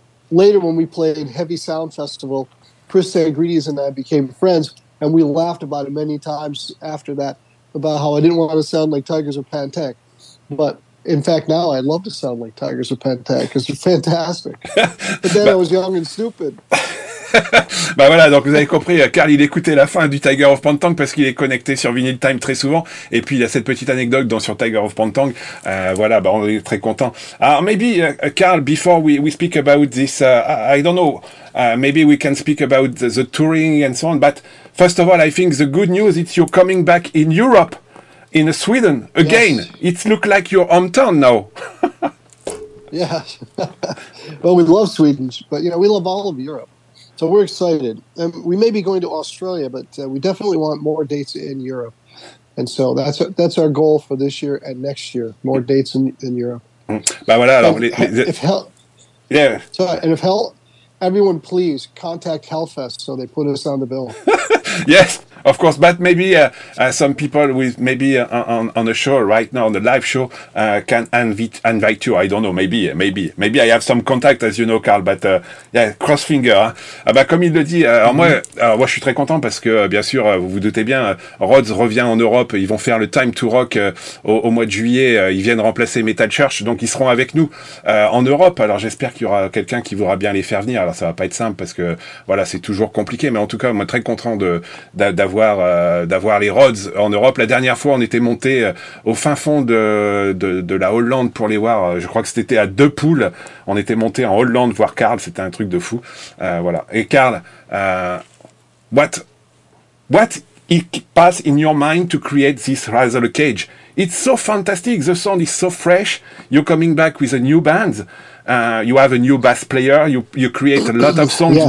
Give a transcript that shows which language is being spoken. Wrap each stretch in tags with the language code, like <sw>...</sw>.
<en>Later, when we played Heavy Sound Festival, Chris Sangridis and I became friends, and we laughed about it many times after that, about how I didn't want to sound like Tigers of Pantech. But in fact, now I love to sound like Tigers of Pantech because they're fantastic. But then I was young and stupid.</en> <fr>Bah voilà, donc vous avez compris, Carl il écoutait la fin du Tiger of Pantang parce qu'il est connecté sur Vinyl Time très souvent et puis il y a cette petite anecdote dans sur Tiger of Pantang. Voilà, bah on est très content.</fr> <en>Maybe Carl, before we speak about this, I don't know, maybe we can speak about the touring and so on, but first of all I think the good news is you're coming back in Europe, in Sweden again. Yes. It looks like your hometown now. Yeah. Well, we love Sweden, but you know, we love all of Europe. So we're excited. And we may be going to Australia, but we definitely want more dates in Europe. And so that's our goal for this year and next year, more dates in Europe.</en> <fr>Bah voilà, alors, yeah.</fr> <en>So, and if hell, everyone please contact Hellfest so they put us on the bill. Yes, of course. But maybe some people with maybe on the show right now, on the live show, can invite you. I don't know. Maybe I have some contact, as you know, Carl. But yeah, cross finger. Hein.</en> <fr>Comme il le dit, moi, je suis très content parce que, bien sûr, vous vous doutez bien, Rhodes revient en Europe. Ils vont faire le Time to Rock au mois de juillet. Ils viennent remplacer Metal Church. Donc, ils seront avec nous en Europe. Alors, j'espère qu'il y aura quelqu'un qui voudra bien les faire venir. Alors, ça va pas être simple parce que, voilà, c'est toujours compliqué. Mais en tout cas, moi, très content d'avoir les Rhodes en Europe. La dernière fois, on était monté au fin fond de la Hollande pour les voir. Je crois que c'était à deux poules. On était monté en Hollande voir Carl. C'était un truc de fou. Voilà.</fr> <en>Et Carl, what it pass in your mind to create this Razzle Cage? It's so fantastic. The sound is so fresh. You're coming back with a new band. You have a new bass player. You create a lot of songs. Yes.</en>